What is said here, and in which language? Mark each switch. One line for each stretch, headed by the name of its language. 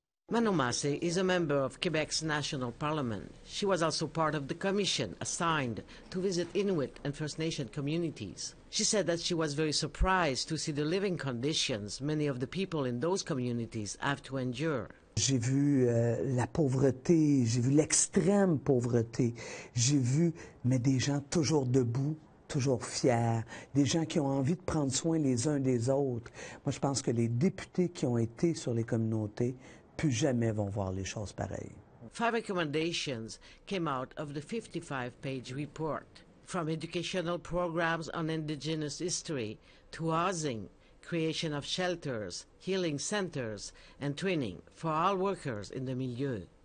English: Manon Massé is a member of Quebec's National Parliament. She was also part of the commission assigned to visit Inuit and First Nation communities. She said that she was very surprised to see the living conditions many of the people in those communities have to endure.
French: J'ai vu la pauvreté, j'ai vu l'extrême pauvreté. J'ai vu, mais des gens toujours debout, toujours fiers, des gens qui ont envie de prendre soin les uns des autres. Moi, je pense que les députés qui ont été sur les communautés plus jamais vont voir les choses pareilles.
English: Five recommendations came out of the 55-page report, from educational programs on Indigenous history to housing, creation of shelters, healing centers, and training for all workers in the milieu.